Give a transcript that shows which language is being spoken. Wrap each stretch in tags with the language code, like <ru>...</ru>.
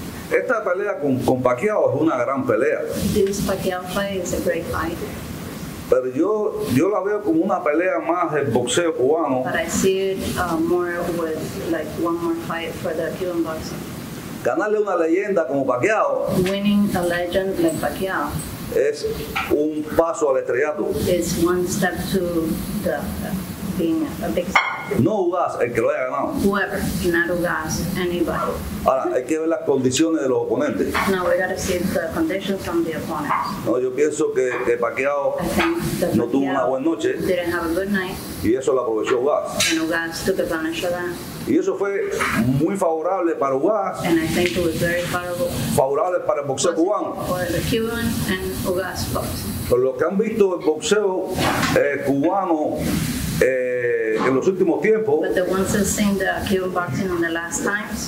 <es>Esta pelea con Pacquiao es una gran pelea.</es> <en>This Pacquiao fight is a great fight.</en> <es>Pero yo la veo como una pelea más del boxeo cubano.</es> <en>But I see it more with like one more fight for the Cuban boxing.</en> <es>Ganarle una leyenda como Pacquiao.</es> <en>Winning a legend like Pacquiao.</en> <es>Es un paso al estrellato.</es> <en>It's one step to the being a big step.</en> <es>No Ugas, el que lo haya ganado.</es> <en>Whoever, not Ugas, anybody.</en> <es>Ahora, hay que ver las condiciones de los oponentes.</es> <en>Now we gotta see the conditions from the opponents.</en> <es>No, yo pienso que Pacquiao no tuvo una buena noche.</es> <en>Didn't have a good night.</en> <es>Y eso lo aprovechó Ugas.</es> <en>And Ugas took advantage of that.</en> <es>Y eso fue muy favorable para Ugas.</es> <en>And I think it was very favorable.</en> <es>Favorable para el boxeo cubano.</es> <en>For the Cuban and Ugas boxing.</en> <es>Por lo que han visto el boxeo cubano en los últimos tiempos.</es> <en>But the ones that seen the Cuban boxing in the last times.</en>